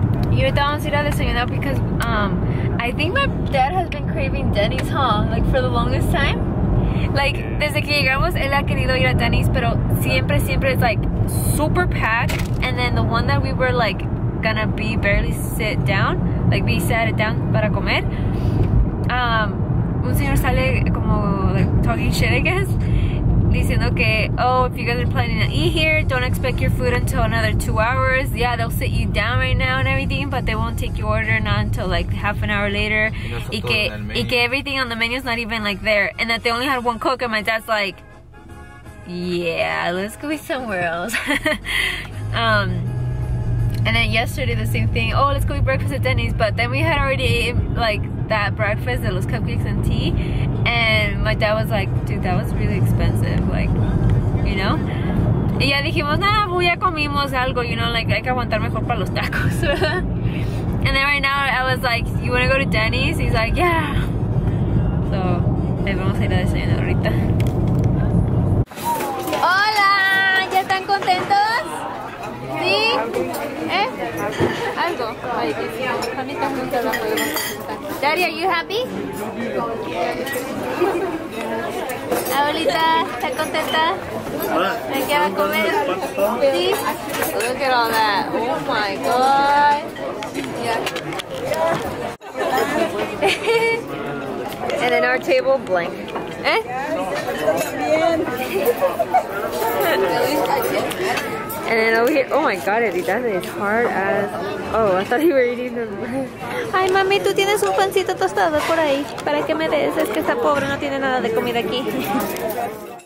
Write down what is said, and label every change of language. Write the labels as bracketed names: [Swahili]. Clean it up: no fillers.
[English] You're down to [Spanish] desayunar [English] because I think my dad has been craving Denny's, huh? Like for the longest time. [Spanish] Like desde que llegamos, él ha querido ir a Denny's, pero siempre, siempre es [English] like super packed. And then the one that we were like gonna be barely sit down, like be sat down [Spanish] para comer. Un señor sale como [English] like talking shit, I guess. [Spanish] Diciendo que, [English] oh, if you guys are planning to eat here, don't expect your food until another 2 hours. Yeah, they'll sit you down right now and everything, but they won't take your order not until like half an hour later. [Spanish] Y que [English] everything on the menu is not even like there. And that they only had one Coke, and my dad's like, yeah, let's go eat somewhere else. And then yesterday, the same thing. Oh, let's go eat breakfast at Denny's. But then we had already eaten like that breakfast, the los cupcakes and tea. And my dad was like, dude, that was really expensive. Like, you know? [Spanish] Y ya dijimos, nah, ya comimos algo. [English] You know, like, [Spanish] hay que aguantar mejor para los tacos. [English] And then right now, I was like, you want to go to Denny's? He's like, yeah. [Spanish] So, ahí vamos a ir a desayunar ahorita. Hola! ¿Ya están contentos? ¿Sí? ¿Eh? Algo. [English] Daddy, are you happy? [Spanish] Abuelita, ¿está contenta? ¿Me queda comer? ¿Sí? [English] Look at all that. Oh my god. Yeah. And then our table, blank. ¿Eh? [Spanish] Bien. [English] And then over here, oh my god, Eddie, that is hard as... Oh, I thought you were eating them. [Spanish] Ay, mami, tú tienes un pancito tostado por ahí. ¿Para qué me des? Es que esta pobre no tiene nada de comida aquí.